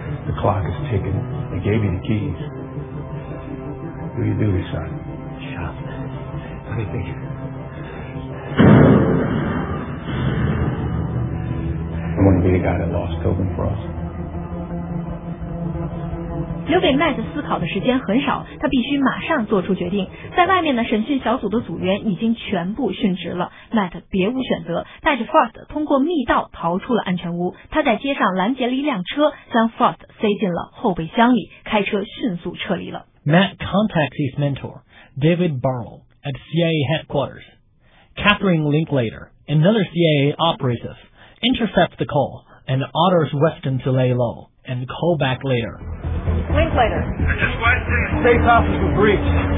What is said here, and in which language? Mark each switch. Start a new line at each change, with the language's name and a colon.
English: The clock is ticking. They gave you the keys. What do you do, son? Shut up. What do you think? I'm going to be the guy that lost Tobin Frost.
Chinese: 留给 Matt 思考的时间很少，他必须马上做出决定。在外面呢，审讯小组的组员已经全部殉职了， Matt 别无选择，带着 Frost 通过密道逃出了安全屋。他在街上拦截了一辆车，将 Frost 塞进了后备箱里，开车迅速撤离了。
English: Matt contacts his mentor David Burrell at CIA headquarters. Catherine Linklater, another CIA operative, intercepts the call and orders Weston to lay low and call back later Linklater. Just Weston. Safe house is breached.